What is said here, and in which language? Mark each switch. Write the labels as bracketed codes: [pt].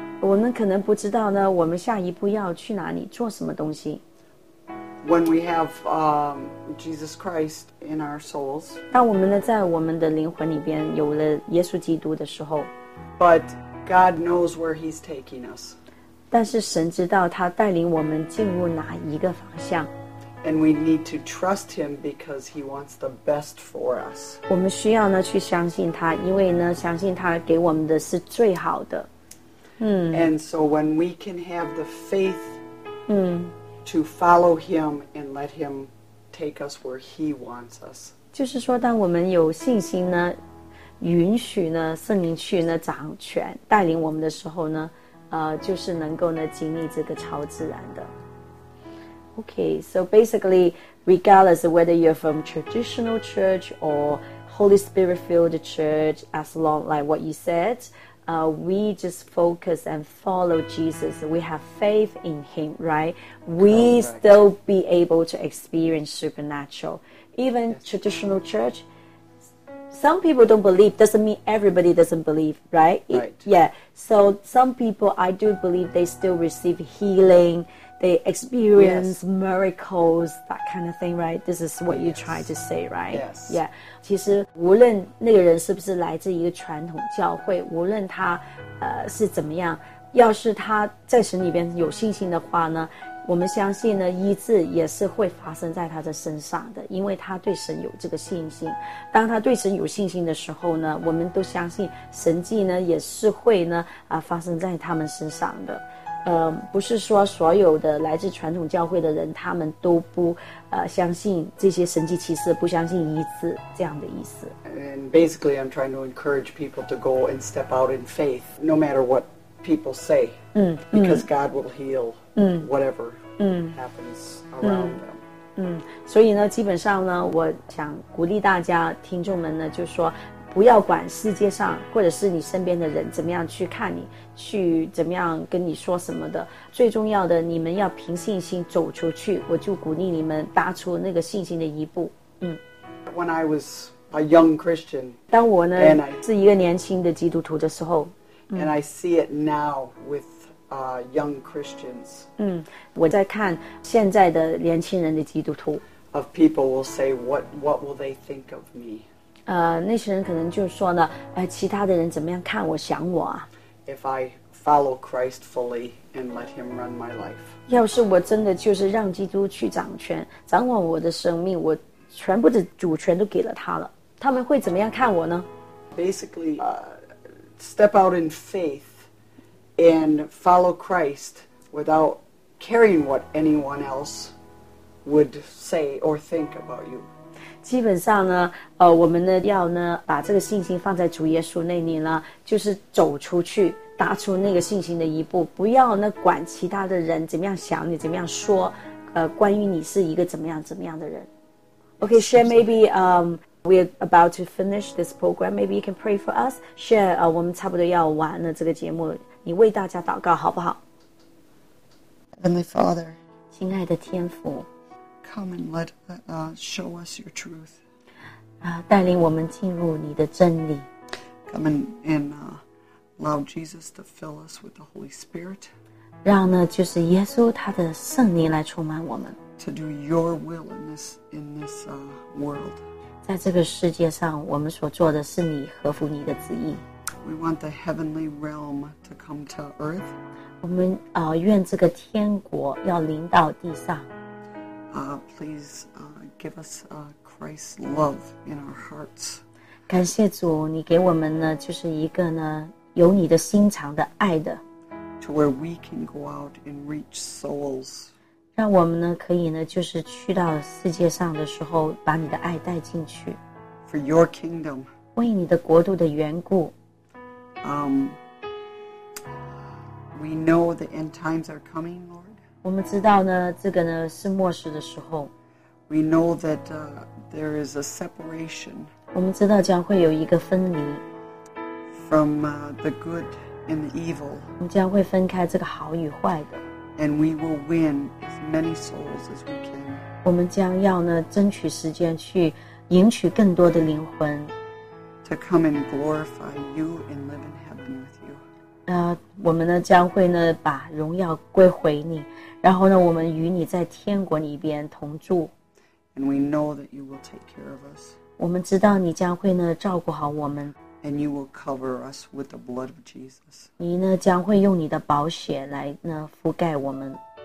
[zh] 我们可能不知道呢我们下一步要去哪里做什么东西。 [en] When we have Jesus Christ in our souls. [zh] 当我们呢在我们的灵魂里边有了耶稣基督的时候。 [en] But God knows where he's taking us. [zh] 但是神知道他带领我们进入哪一个方向。 [en] And we need to trust him because he wants the best for us. [zh] 我们需要呢去相信他，因为呢相信他给我们的是最好的。 [en] And so when we can have the faith to follow him and let him take us where he wants us. [zh] 就是说当我们有信心呢，允许呢圣灵去呢掌权带领我们的时候呢，就是能够呢经历这个超自然的。 [en] Okay, so basically, regardless of whether you're from traditional church or Holy Spirit filled church, as long like what you said, we just focus and follow Jesus. We have faith in him, right? We still be able to experience supernatural. Even traditional church, some people don't believe. Doesn't mean everybody doesn't believe, right? So some people, I do believe they still receive healing. They experience miracles, that kind of thing, right? This is what you try to say, right? Yes. [zh] 其实无论那个人是不是来自一个传统教会，无论他是怎么样，要是他在神里边有信心的话呢，我们相信呢医治也是会发生在他的身上的，因为他对神有这个信心。当他对神有信心的时候呢，我们都相信神迹呢也是会呢发生在他们身上的。不是说所有的来自传统教会的人他们都不相信这些神迹奇事，不相信医治这样的意思。 [en] And basically I'm trying to encourage people to go and step out in faith no matter what people say, because God will heal whatever happens around them. [zh] 所以呢基本上呢我想鼓励大家听众们呢，就说不要管世界上或者是你身边的人怎么样去看你，去怎么样跟你说什么的，最重要的你们要凭信心走出去。我就鼓励你们踏出那个信心的一步。 [en] When I was a young Christian, [zh] 当我呢 [en] and I, [zh] 是一个年轻的基督徒的时候 [en] and I see it now with young Christians, [zh] 我在看现在的年轻人的基督徒 [en] of people will say what will they think of me? [zh] 那些人可能就说呢，其他的人怎么样看我想我啊 [en] ？If I follow Christ fully and let Him run my life， [zh] 要是我真的就是让基督去掌权，掌管我的生命，我全部的主权都给了他了，他们会怎么样看我呢 [en] ？Basically, step out in faith and follow Christ without caring what anyone else would say or think about you. [zh] 基本上呢我们呢要呢把这个信心放在主耶稣那里呢，就是走出去踏出那个信心的一步，不要呢管其他的人怎么样想你怎么样说关于你是一个怎么样怎么样的人。 [en] OK, Shed, maybe We're about to finish this program. Maybe you can pray for us. [zh] Share, 我们差不多要完了这个节目，你为大家祷告好不好？ [en] Heavenly Father, [zh] 亲爱的天父， [en] Come and let, show us your truth. [zh] 带领我们进入你的真理。 [en] Come and allow Jesus to fill us with the Holy Spirit. [zh] 让呢，就是耶稣他的圣灵来充满我们。 [en] To do your will in this world. [zh] 在这个世界上，我们所做的是你合乎你的旨意。 [en] We want the heavenly realm to come to earth. [zh] 我们愿这个天国要临到地上。 [en] Please give us Christ's love in our hearts. [zh] 感谢主，你给我们呢，就是一个呢，有你的心肠的爱的。 [en] To where we can go out and reach souls. [zh] 让我们呢，可以呢，就是去到世界上的时候，把你的爱带进去。 [en] For your kingdom. [zh] 为你的国度的缘故。 [en] We know the end times are coming, Lord. [zh] 我们知道呢，这个呢，是末世的时候。 [en] We know that there is a separation. [zh] 我们知道将会有一个分离 [en] from the good and the evil. [zh] 我们将会分开这个好与坏的 [en] and we will win as many souls as we can. [zh] 我们将要呢争取时间去赢取更多的灵魂 [en] to come and glorify you and live in heaven with you. [zh] 我们呢将会呢把荣耀归回你，然后呢我们与你在天国里边同住 [en] and we know that you will take care of us. [zh] 我们知道你将会呢照顾好我们 [en] And you will cover us with the blood of Jesus. [zh] 你呢将会用你的宝血来呢覆盖我们